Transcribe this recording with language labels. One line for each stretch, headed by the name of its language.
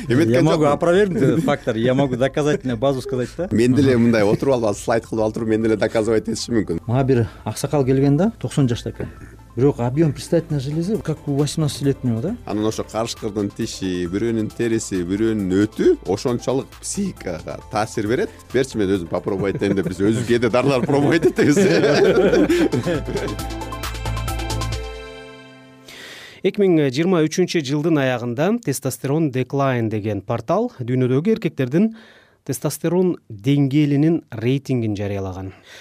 Russian: Я могу опровергнуть этот фактор, я могу доказательную базу сказать да.
Kyrgyz: Мен деле мындай отуруп алып слайд кылып алып мен деле доказывать этишим мүмкүн. Мага бир аксакал келген да 90 жашта экен. Бирок
Russian: объем предстательной железы как у 18-летнего, да?
Kyrgyz: Анын ошо карышкырдын тиши, бирөөнүн териси, бирөөнүн өтү ошончолук психикага таасир берет. Берчи мен өзүм попробовать этем деп биз өзүбүзгө да дарылар пробовать этебиз. 2023 жылдын аягында тестостерон деклайн деген портал дүйнөдөгү эркектердин тестостерон деңгээлинин рейтингин жарыялаган.